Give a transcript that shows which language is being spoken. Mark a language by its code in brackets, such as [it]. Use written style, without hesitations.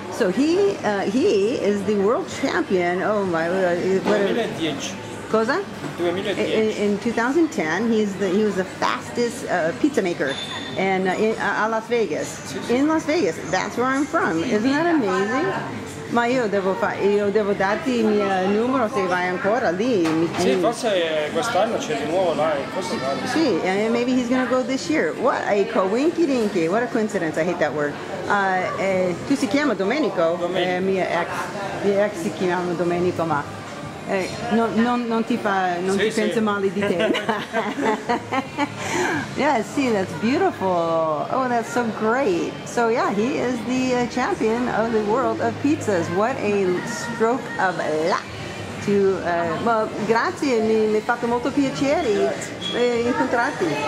[en] So he is the world champion. Oh my, what? 2010. [it] Cosa? [en] 2010. In 2010, he was the fastest pizza maker. And in Las Vegas, in Las Vegas, that's where I'm from. Isn't that amazing? [it] Ma io devo darti il mio numero se vai ancora lì. Sì, forse quest'anno c'è di nuovo là. [en] Sì, and maybe he's gonna go this year. What a coinkydinky! What a coincidence! I hate that word. [it] Tu si chiama Domenico? [en] Domenico. [it] Mia ex si chiama Domenico, ma. Non ti pensa male di te. [en] Yeah, see, that's beautiful. Oh, that's so great. So yeah, he is the champion of the world of pizzas. What a stroke of luck. [it] Well, grazie, mi ha fatto molto piacere incontrarti.